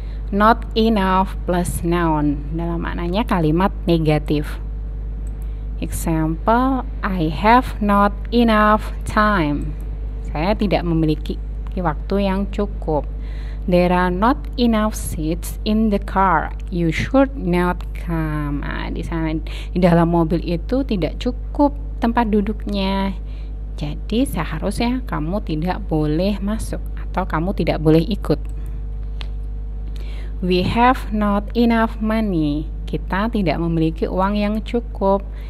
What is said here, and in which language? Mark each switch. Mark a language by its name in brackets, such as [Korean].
[English] Not enough plus noun [Indonesian] dalam maknanya kalimat negatif. [English] Example, I have not enough time. [Indonesian] Saya tidak memiliki waktu yang cukup. [English] There are not enough seats in the car. You should not come. [Indonesian] Nah, di sana di dalam mobil itu tidak cukup tempat duduknya. Jadi seharusnya kamu tidak boleh masuk atau kamu tidak boleh ikut. [English] We have not enough money. [Indonesian] Kita tidak memiliki uang yang cukup.